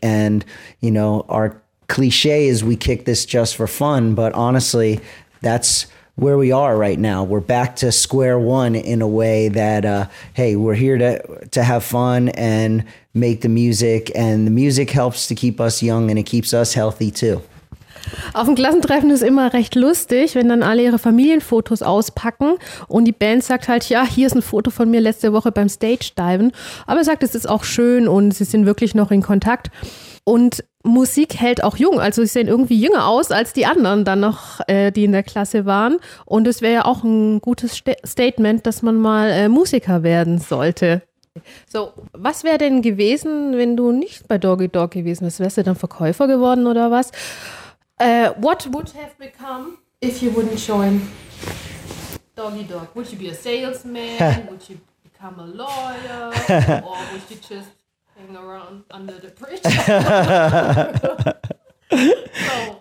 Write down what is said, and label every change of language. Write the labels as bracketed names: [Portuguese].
[English] And, you know, our cliche is we kick this just for fun. But honestly, that's where we are right now. We're back to square one in a way that, hey, we're here to have fun and make the music, and the music helps to keep us young and it keeps us healthy too. [German] Auf dem Klassentreffen ist immer recht lustig, wenn dann alle ihre Familienfotos auspacken und die Band sagt halt, ja, hier ist ein Foto von mir letzte Woche beim Stage-Diven. Aber sagt, es ist auch schön und sie sind wirklich noch in Kontakt. Und Musik hält auch jung, also sie sehen irgendwie jünger aus als die anderen dann noch, die in der Klasse waren. Und es wäre ja auch ein gutes Statement, dass man mal Musiker werden sollte. So, was wäre denn gewesen, wenn du nicht bei Doggy Dog gewesen wärst? Wärst du dann Verkäufer geworden oder was? [English] What would have become if you wouldn't join Doggy Dog? Would you be a salesman? Would you become a lawyer? Or would you just hang around under the bridge?